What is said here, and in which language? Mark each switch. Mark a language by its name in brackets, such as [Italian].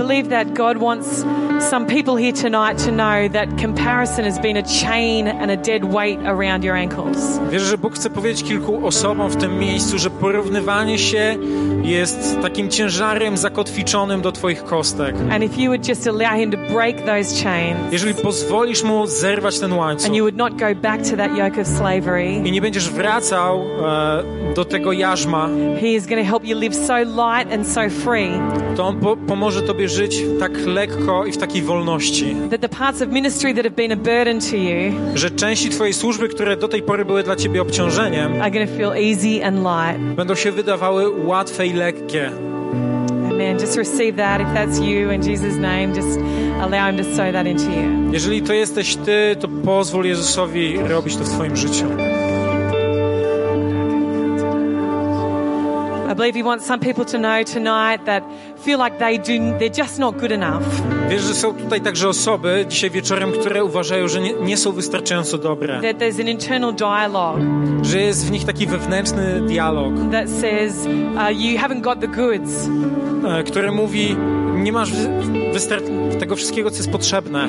[English] That God wants some people here tonight to know that comparison has been a chain and a dead weight around your ankles. [Polish] Wierzę, że Bóg chce powiedzieć kilku osobom w tym miejscu, że porównywanie się jest takim ciężarem zakotwiczonym do twoich kostek. [English] And if you would just allow him to break those chains. [Polish] Jeżeli pozwolisz mu zerwać ten łańcuch. [English] And you would not go back to that yoke of slavery. [Polish] I nie będziesz wracał do tego jarzma. [English] He is going to help you live so light and so free. [Polish] To on pomoże tobie żyć tak lekko i w takiej wolności. [English] That the parts of ministry that have been a burden to you. [Polish] Że części twojej służby, które do tej pory były dla ciebie obciążeniem. [English] Are going to feel easy and light. [Polish] Będą się wydawały łatwe i lekkie. [English] Amen. Just receive that if that's you in Jesus' name. Just allow him to sow that into you. [Polish] Jeżeli to jesteś ty, to pozwól Jezusowi robić to w twoim życiu. [English] I believe he wants some people to know tonight that feel like they're just not good enough. [Polish] Wiesz, że są tutaj także osoby dzisiaj wieczorem, które uważają, że nie są wystarczająco dobre. [English] That there's an internal dialogue. [Polish] Że jest w nich taki wewnętrzny dialog. [English] That says you haven't got the goods. [Polish] Które mówi, nie masz tego wszystkiego, co jest potrzebne.